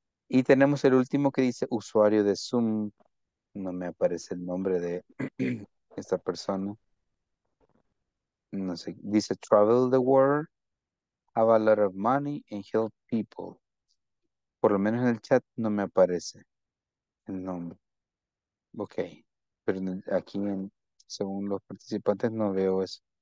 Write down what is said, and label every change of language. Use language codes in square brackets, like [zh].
[es] Y tenemos el último que dice usuario de Zoom. No me aparece el nombre de esta persona. No sé. Dice [en] travel the world, have a lot of money, and help people. [es] Por lo menos en el chat no me aparece el nombre. Ok. Pero aquí, según los participantes, no veo eso.